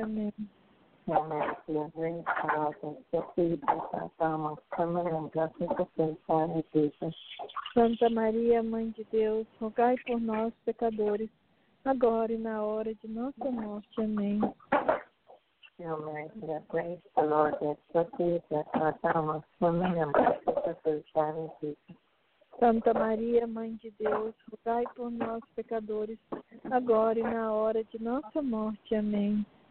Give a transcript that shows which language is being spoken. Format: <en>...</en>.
<pt>Amém.</pt> <en>Hail Mary, full of grace, the Lord is with thee. Blessed art thou amongst women, and blessed is the fruit of thy womb, Jesus.</en> <pt>Santa Maria, Mãe de Deus, rogai por nós, pecadores, agora e na hora de nossa morte. Amém.</pt> <en>Hail Mary, full of grace, the Lord is with thee. Blessed art thou amongst women, and blessed is the fruit of thy womb, Jesus.</en> <pt>Santa Maria, Mãe de Deus, rogai por nós, pecadores, agora e na hora de nossa morte. Amém.</pt>